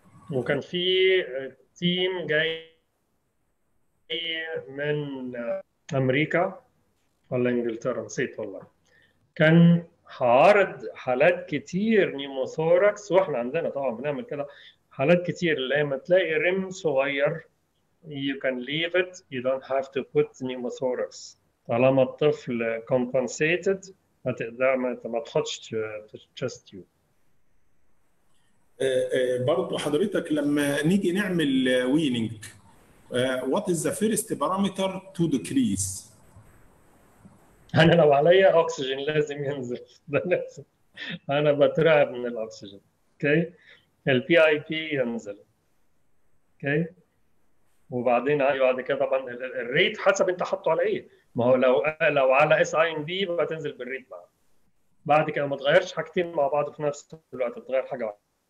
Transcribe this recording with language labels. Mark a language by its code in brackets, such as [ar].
[ar] وكان في تيم جاي من امريكا ولا انجلترا نسيت والله، كان هعرض حالات كتير نيموثوركس، واحنا عندنا طبعا بنعمل كده حالات كتير، لما تلاقي ريم صغير [en] you can leave it you don't have to put [ar] نيموثوركس، طالما الطفل compensated هتقدر ما تحطش chest tube. برضو حضرتك لما نيجي نعمل [en] weaning what is the first parameter to decrease؟ [ar] أنا لو عليا أكسجين لازم ينزل، ده لازم، أنا بترعب من الأكسجين، أوكي؟ الـ PIP ينزل، أوكي؟ وبعدين بعد كده طبعاً الريت حسب أنت حطه على إيه؟ ما هو لو على SIMV بتنزل بالريت معه، بعد كده ما تغيرش حاجتين مع بعض في نفس الوقت، بتغير حاجة واحدة.